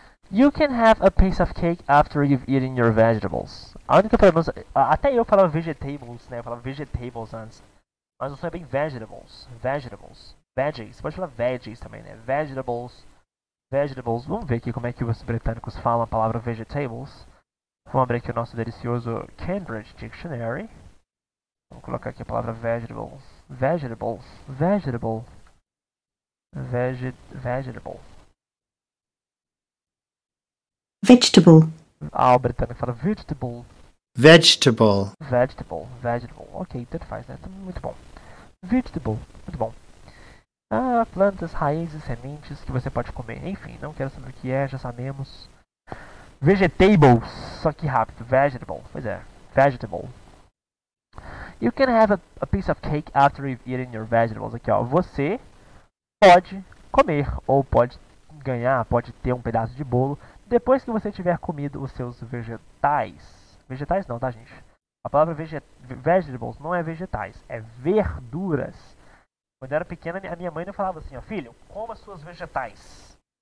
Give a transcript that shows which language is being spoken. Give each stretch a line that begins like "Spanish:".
English: You can have a piece of cake after you've eaten your vegetables.
Portuguese: A única pronúncia... Até eu falava vegetables, né? Eu falava vegetables antes. Mas o som é bem vegetables. Vegetables. Veggies. Você pode falar veggies também, né? Vegetables. Vegetables. Vamos ver aqui como é que os britânicos falam a palavra vegetables. Vamos abrir aqui o nosso delicioso Cambridge Dictionary. Vamos colocar aqui a palavra vegetables.
English: Vegetables. Vegetable. Vegetable. Vegetable.
Portuguese: Ah, o britânico fala vegetable.
English: Vegetable.
Portuguese: Vegetable. Vegetable. Ok, tanto faz, né? Muito bom. Vegetable. Muito bom. Ah, plantas, raízes, sementes que você pode comer. Enfim, não quero saber o que é, já sabemos. Vegetables. Só que rápido. Vegetable. Pois é. Vegetable.
English: You can have a piece of cake after you've eaten your vegetables.
Portuguese: Aqui, ó. Você pode comer ou pode ganhar, pode ter um pedaço de bolo. Depois que você tiver comido os seus vegetais. Vegetais não, tá, gente? A palavra vegetables não é vegetais, é verduras. Quando eu era pequena, a minha mãe não falava assim, ó, filho, coma suas vegetais.